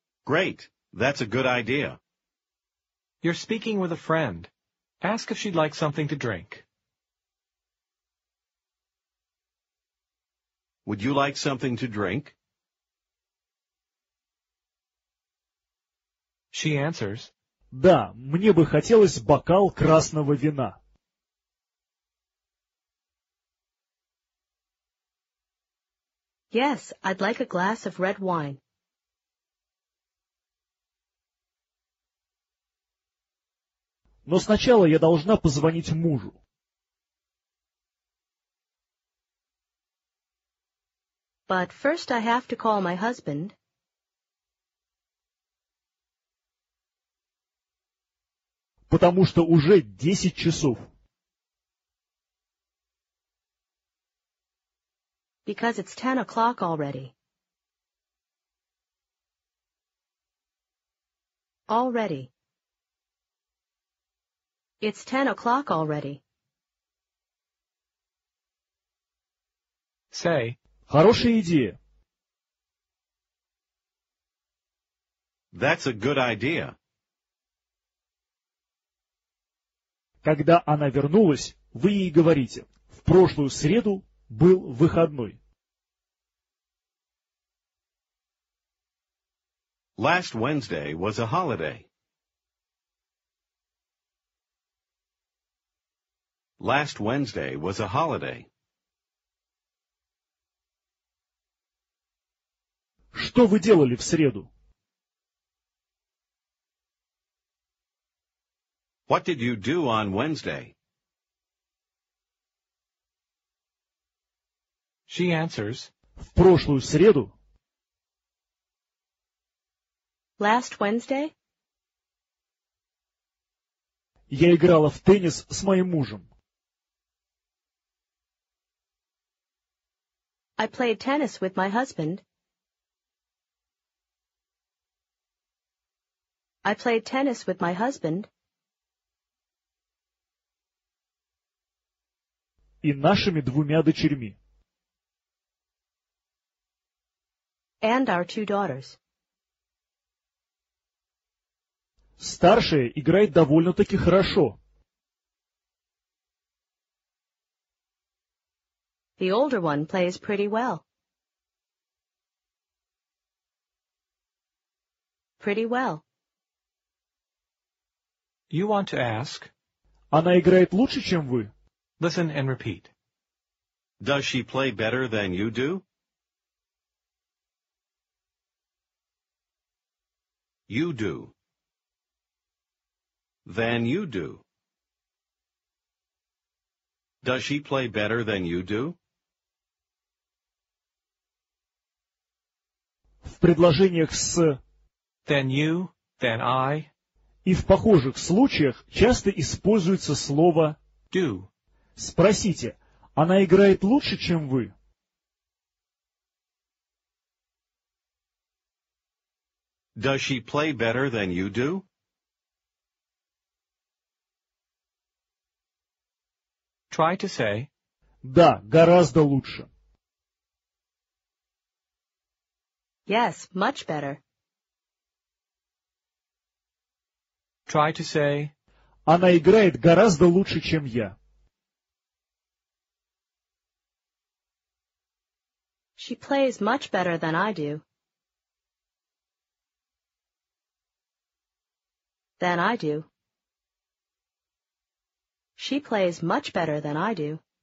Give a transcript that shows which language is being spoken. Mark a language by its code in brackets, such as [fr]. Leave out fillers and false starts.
[en] Great. That's a good idea. You're speaking with a friend. Ask if she'd like something to drink. Would you like something to drink? She answers. [ru] Да, мне бы хотелось бокал красного вина. [en] Yes, I'd like a glass of red wine. [ru] Но сначала я должна позвонить мужу. [en] But first I have to call my husband. [ru] Потому что уже 10 часов. [en] Because it's 10 o'clock already. Already. It's 10 o'clock already. Say, [ru] хорошая идея. [en] That's a good idea. [ru] Когда она вернулась, вы ей говорите, в прошлую среду был выходной. [en] Last Wednesday was a holiday. Last Wednesday was a holiday. [ru] Что вы делали в среду? [en] What did you do on Wednesday? She answers, [ru] в прошлую среду. [en] Last Wednesday? [ru] Я играла в теннис с моим мужем. [en] I played tennis with my husband. I played tennis with my husband. [ru] И нашими двумя дочерьми. [en] And our two daughters. [ru] Старшая играет довольно-таки хорошо. [en] The older one plays pretty well. Pretty well. You want to ask? [ru] Она играет лучше, чем вы. [en] Listen and repeat. Does she play better than you do? You do. Than you do. Does she play better than you do? [ru] В предложениях с [en] than you, than I [ru] и в похожих случаях часто используется слово [en] do. [ru] Спросите, она играет лучше, чем вы? [en] Does she play better than you do? Try to say, [ru] да, гораздо лучше. [en] Yes, much better. Try to say, [ru] Она играет гораздо лучше, чем я. [en] She plays much better than I do. Than I do. She plays much better than I do.